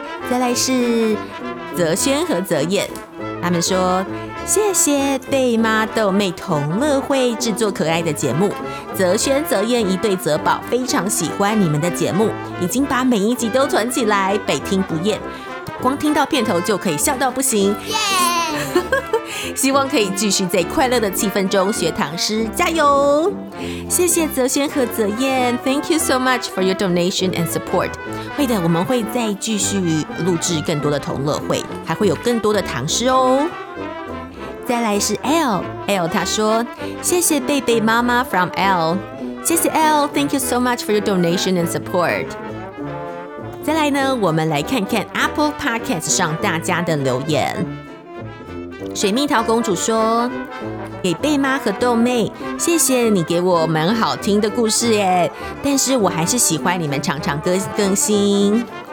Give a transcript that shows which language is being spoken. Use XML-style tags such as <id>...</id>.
<zh>再来是泽轩和泽燕，他们说谢谢贝妈豆妹同乐会制作可爱的节目，泽轩泽燕一对泽宝非常喜欢你们的节目，已经把每一集都存起来，百听不厌，光听到片头就可以笑到不行，耶！希望可以继续在快乐的气氛中学唐诗，加油！谢谢泽轩和泽燕 ，</zh> <en>Thank you so much for your donation and support。</en> <zh>会的，我们会再继续录制更多的同乐会，还会有更多的唐诗哦。再来是 L， 他说谢谢贝贝妈妈</zh> <en>from L，</en> <zh>谢谢 L，</zh> <en>thank you so much for your donation and support。</en> <zh>再来呢，我们来看看 Apple Podcast 上大家的留言。水蜜桃公主说给贝妈和豆妹，谢谢你给我们好听的故事耶，但是我还是喜欢你们常常更新。</zh>